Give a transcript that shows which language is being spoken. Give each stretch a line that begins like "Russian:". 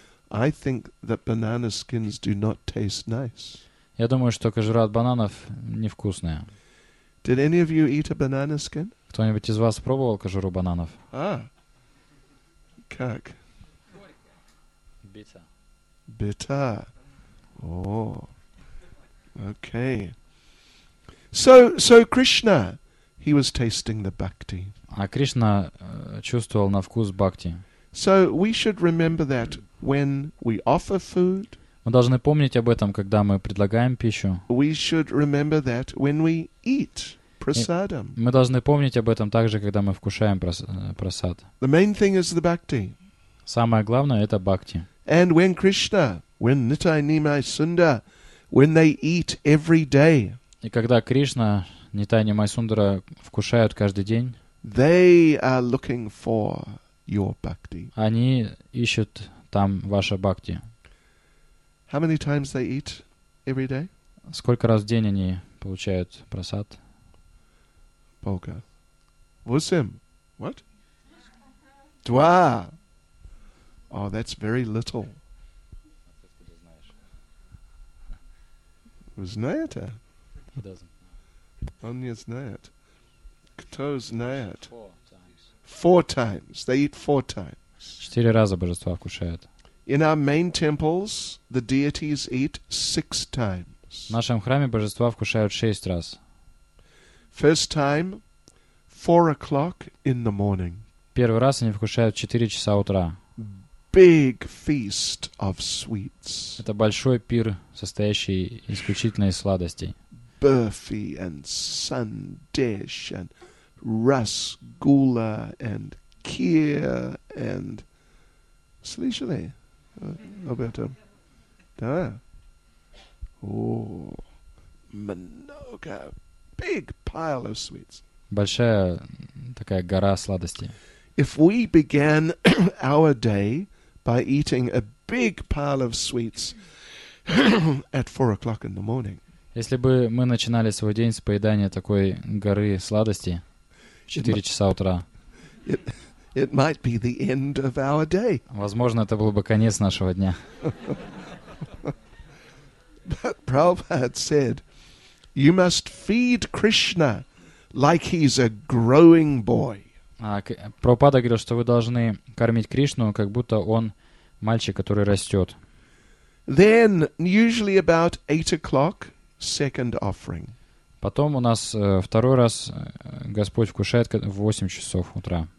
English: I think that banana skins do not taste nice.
Russian: Я думаю, что кожура от бананов невкусная.
English: Did any of you eat a banana skin?
Russian: Кто-нибудь из вас пробовал кожуру бананов? Как?
English: Bitter. Bitter. Oh. Okay. So Krishna, he was tasting the bhakti.
Russian: А Кришна чувствовал на вкус бхакти.
English: So we should remember that when we offer food.
Russian: Мы должны помнить об этом, когда мы предлагаем пищу.
English: We should remember that when we eat.
Russian: Мы должны помнить об этом также, когда мы вкушаем прасад.
English: The main thing is the bhakti.
Russian: Самое главное — это бхакти.
English: And when Krishna, when Nitai Nimai Sundar, when they eat every day.
Russian: И когда Кришна, Нитай Нимай Сундара вкушают каждый день.
English: They are looking for your bhakti.
Russian: Они ищут там ваше бхакти.
English: How many times they eat every day?
Russian: Сколько раз в день они получают просад? Бога. Восемь.
English: What?
Russian: Два.
English: Oh, that's very little.
Russian: Вы знаете?
English: He doesn't.
Russian: Он не знает. Кто знает?
English: Four times. They eat four times.
Russian: Четыре раза божества кушают.
English: In our main temples, the deities eat six times.
Russian: В нашем храме божества вкушают шесть раз.
English: First time, 4 o'clock in the morning.
Russian: Первый раз они вкушают в 4 часа утра.
English: Big feast of sweets.
Russian: Это большой пир, состоящий исключительно из сладостей.
English: Burfi and sandesh and rasgulla and kheer and
Russian: слышали об этом? Да.
English: Oh,
Russian: много,
English: big pile of sweets.
Russian: Большая такая гора сладостей.
English: If we began our day by eating a big pile of sweets at 4 o'clock in the morning.
Russian: Если бы мы начинали свой день с поедания такой горы сладостей в 4 часа утра.
English: It might be the end of our day.
Russian: Возможно, это был бы конец нашего дня.
English: But Prabhupada said, you must feed Krishna like he's a growing boy.
Russian: Прабхупада говорил, что вы должны кормить Кришну, как будто он мальчик, который растет.
English: Then, usually about 8 o'clock, second offering.
Russian: Потом у нас второй раз Господь вкушает в 8 часов утра.